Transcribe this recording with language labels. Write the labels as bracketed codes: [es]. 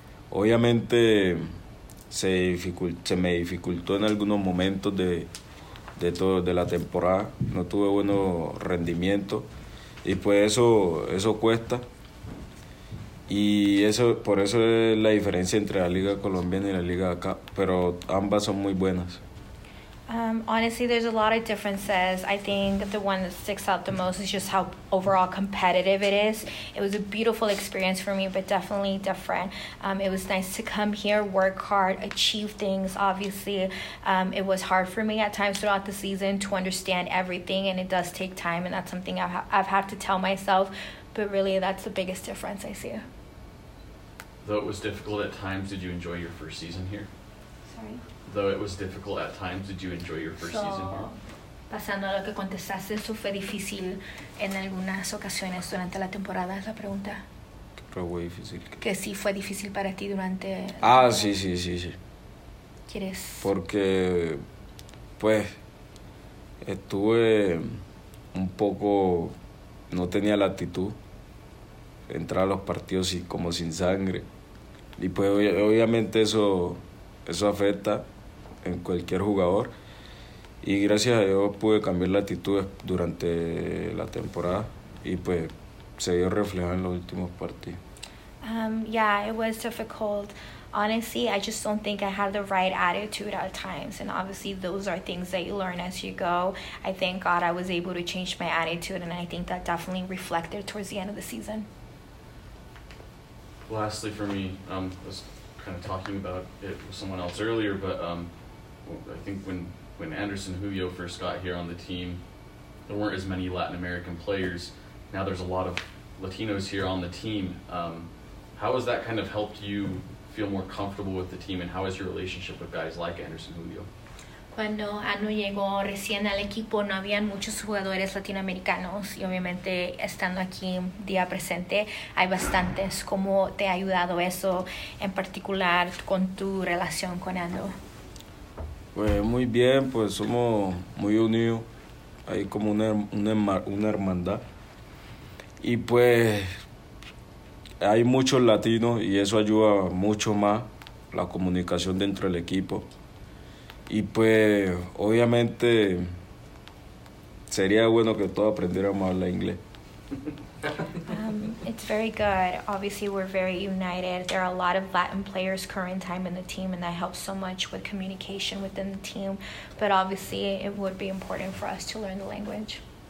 [es] Obviamente se me dificultó en algunos momentos de la temporada, no tuve buenos rendimientos. Y pues eso cuesta. Y eso, por eso es la diferencia entre la liga colombiana y la liga acá, pero ambas son muy buenas. [en] Honestly, there's a lot of differences. I think that the one that sticks out the most is just how overall competitive it is. It was a beautiful experience for me, but definitely different. It was nice to come here, work hard, achieve things. Obviously, it was hard for me at times throughout the season to understand everything, and it does take time, and that's something I've had to tell myself. But really, that's the biggest difference I see. Though it was difficult at times, did you enjoy your first season here? Though it was difficult at times, did you enjoy your first season here? [es] Pasando a lo que contestaste, eso fue difícil en algunas ocasiones durante la temporada, es la pregunta. Pero fue difícil. Que sí fue difícil para ti durante. Ah, sí. ¿Quieres? Porque, pues, estuve un poco. No tenía la actitud. Entrar a los partidos como sin sangre. Y pues, obviamente, eso afecta en cualquier jugador, y gracias a Dios pude cambiar la actitud durante la temporada y pues se dio reflejado en los últimos partidos. [en] Yeah, it was difficult. Honestly, I just don't think I had the right attitude at times, and obviously those are things that you learn as you go. I thank God I was able to change my attitude, and I think that definitely reflected towards the end of the season. Lastly for me, kind of talking about it with someone else earlier, but I think when Anderson Julio first got here on the team, there weren't as many Latin American players. Now there's a lot of Latinos here on the team. how has that kind of helped you feel more comfortable with the team, and how is your relationship with guys like Anderson Julio? [es] Cuando Anu llegó recién al equipo, no habían muchos jugadores latinoamericanos, y obviamente estando aquí día presente, hay bastantes. ¿Cómo te ha ayudado eso, en particular con tu relación con Anu? Pues muy bien, pues somos muy unidos, hay como una hermandad, y pues hay muchos latinos, y eso ayuda mucho más la comunicación dentro del equipo. Y pues, obviamente, sería bueno que todos aprendiéramos a hablar inglés. [en] It's very good. Obviously, we're very united. There are a lot of Latin players current time in the team, and that helps so much with communication within the team. But obviously, it would be important for us to learn the language.